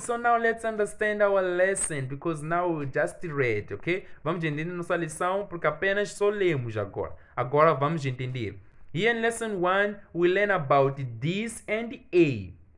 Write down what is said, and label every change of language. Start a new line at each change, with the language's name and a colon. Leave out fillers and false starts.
English: So now let's understand our lesson, because now we just read, okay?
Portuguese: Vamos entender nossa lição, porque apenas só lemos agora. Agora vamos entender.
English: Here in lesson 1, we learn about this and a.